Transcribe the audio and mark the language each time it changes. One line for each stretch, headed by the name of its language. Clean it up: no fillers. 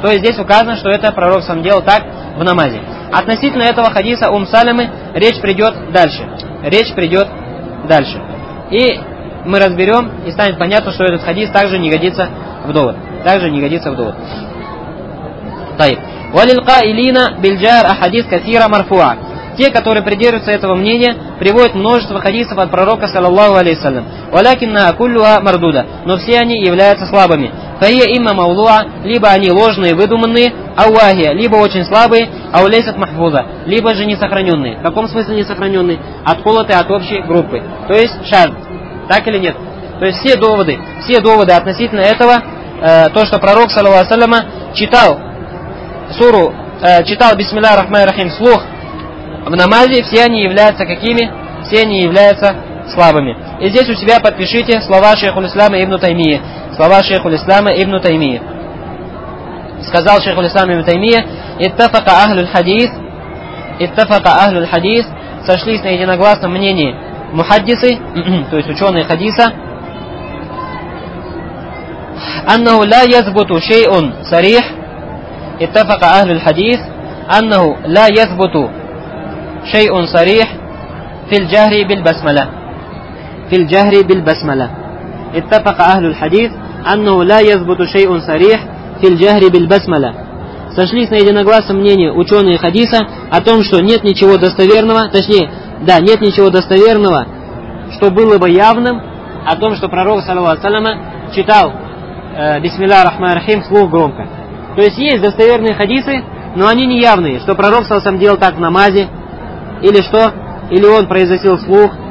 Russian: То есть здесь указано, что это пророк сам делал так в намазе. Относительно этого хадиса Салямы речь придет дальше. Речь придет дальше. И мы разберем, и станет понятно, что этот хадис также не годится в довод. Также не годится в довод.
Arabic: وللقائلين بالجار أحاديث كثيرة مرفوعة.
Russian: Те, которые придерживаются этого мнения, приводят множество хадисов от пророка, саллаллаху алейхи ва саллям.
Arabic: ولكن كلها مردودة.
Russian: Но все они являются слабыми.
Arabic: فهي إما موضوعة,
Russian: либо они ложные, выдуманные,
Arabic: أواهية,
Russian: либо очень слабые,
Arabic: أو ليست محفوظة,
Russian: либо же несохраненные. В каком смысле несохраненные? Отколотые от общей группы. То есть шарт. Так или нет? То есть все доводы относительно этого, то, что пророк, саллаллаху алейхи ва саллям, читал суру, читал «Бисмилля рахмана рахим» слух в намазе, все они являются какими? Все они являются слабыми. И здесь у себя подпишите слова Шейхуль-Ислама ибн Таймии. Слова Шейхуль-Ислама ибн Таймии. Сказал Шейхуль-Ислама ибн Таймии:
Arabic: «Иттафака ахлюль-хадис, иттафака ахлюль-хадис,
Russian: сошлись на единогласном мнении мухаддисы, то есть ученые хадиса,
Arabic: аннаху ла язбуту шейун сарих». اتفق أهل الحديث أنه لا يثبت شيء صريح في الجهر بالبسملة في الجهر بالبسملة اتفق أهل الحديث أنه لا يثبت شيء صريح في الجهر بالبسملة.
Russian: Сошлись на единогласном мнении ученые хадиса о том, что нет ничего достоверного, точнее, да, нет ничего достоверного, что было бы явным о том, что пророк, саллаллаху алейхи ва саллям, читал «Бисмилля рахмана рахим» слух громко. То есть есть достоверные хадисы, но они не явные, что пророк сам делал так в намазе, или что, или он произносил вслух.